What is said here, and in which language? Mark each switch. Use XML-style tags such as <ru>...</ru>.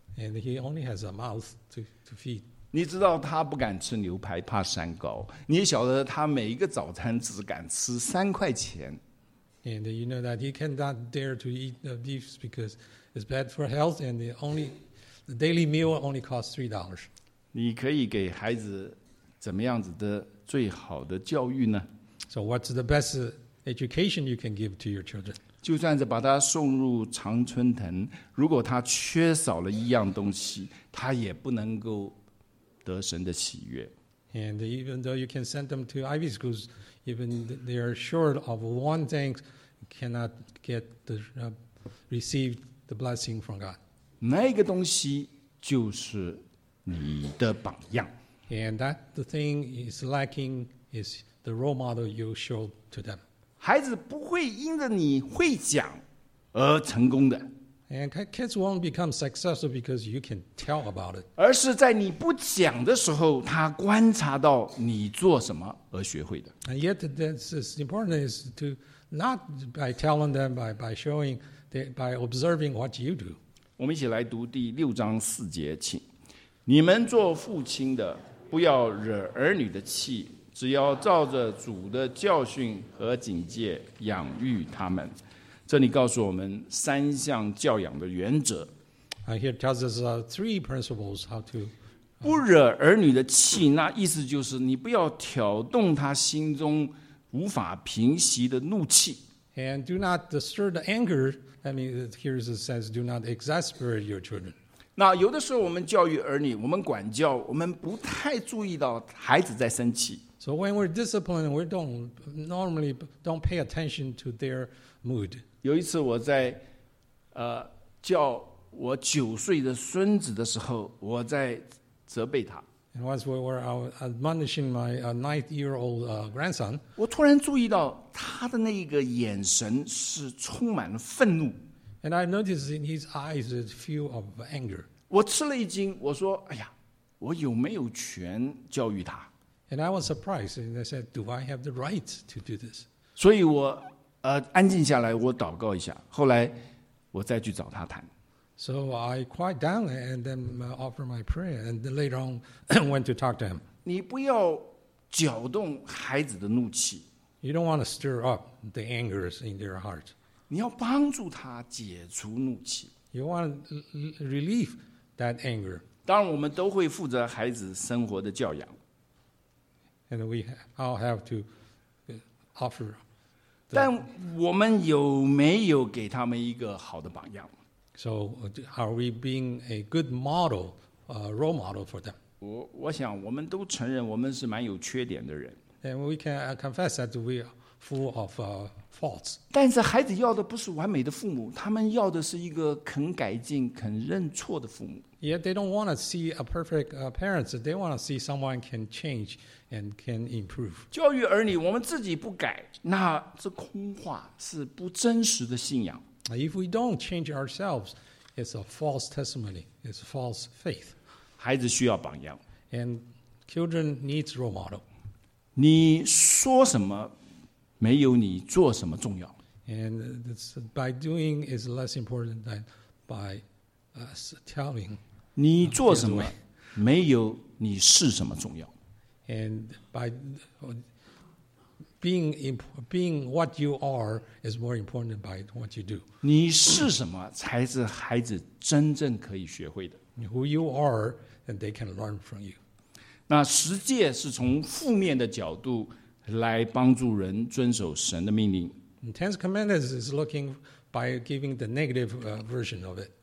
<en>And he only has a mouth to feed.</en> <zh>你知道他不敢吃牛排，怕三高。你也晓得他每一个早餐只敢吃三块钱。</zh> <en>And you know that he cannot dare to eat beef because it's bad for health, and the daily meal only costs $3.</en> <zh>你可以给孩子怎么样子的最好的教育呢？</zh> <en>So what's the best education you can give to your children?</en> <zh>就算是把他送入常春藤，如果他缺少了一样东西，他也不能够得神的喜悦。</zh> <en>And even though you can send them to Ivy schools, even they are short of one thing, cannot get the receive the blessing from God.</en> <zh>那个东西就是你的榜样。</zh> <en>And that the thing is lacking is the role model you show to them.</en> <zh>孩子不会因着你会讲而成功的。</zh> <en>And kids won't become successful because you can tell about it.</en> <zh>而是在你不讲的时候，他观察到你做什么而学会的。</zh> <en>And yet, that's important is to not by telling them, by showing, by observing what you do.</en> <zh>我们一起来读第六章四节，请你们做父亲的，不要惹儿女的气，只要照着主的教训和警戒养育他们。这里告诉我们三项教养的原则。</zh> <en>Here tells us three principles how to</en> <zh>不惹儿女的气，那意思就是你不要挑动他心中无法平息的怒气。</zh> <en>And do not stir the anger. I mean, here it says, do not exasperate your children.</en> <zh>那有的时候我们教育儿女，我们管教，我们不太注意到孩子在生气。</zh> <en>So when we're disciplined, we normally don't pay attention to their mood.</en> <zh>有一次我在叫我九岁的孙子的时候，我在责备他。</zh> <en>And once we were admonishing my nine-year-old grandson,</en> <zh>我突然注意到他的那个眼神是充满了愤怒。</zh> <en>And I noticed in his eyes a feel of anger.</en> <zh>我吃了一惊，我说：“哎呀，我有没有权教育他？”</zh> <en>And I was surprised, and I said, "Do I have the right to do this?"</en> <zh>所以我安静下来，我祷告一下。后来我再去找他谈。</zh> <en>So I quiet down and then offer my prayer, and then later on went to talk to him.</en> <zh>你不要搅动孩子的怒气。</zh> <en>You don't want to stir up the anger in their heart.</en> <zh>你要帮助他解除怒气。</zh> <en>You want to relieve that anger.</en> <zh>当然，我们都会负责孩子生活的教养。</zh> <en>And we all have to offer.</en> <zh>但我们有没有给他们一个好的榜样？</zh> <en>So are we being a good model, a role model for them?</en> <zh>我想我们都承认我们是蛮有缺点的人。</zh> <en>And we can confess that we are full of faults.</en> <zh>但是孩子要的不是完美的父母，他们要的是一个肯改进、肯认错的父母。</zh> <en>Yet they don't want to see a perfect parent. They want to see someone can change and can improve.</en> <zh>教育儿女，我们自己不改，那是空话，是不真实的信仰。</zh> <en>If we don't change ourselves, it's a false testimony. It's a false faith.</en> <zh>孩子需要榜样。</zh> <en>And children need role model.</en> <zh>你说什么，没有你做什么重要。</zh> <en>And by doing is less important than by telling.</en> <zh>你做什么，没有你是什么重要。</zh> <en>And by being what you are is more important by what you do.</en> <zh>你是什么才是孩子真正可以学会的。</zh> <en>Who you are, and they can learn from you.</en> <zh>那十诫是从负面的角度来帮助人遵守神的命令。</zh> <en>Ten Commandments is looking by giving the negative version of it.</en>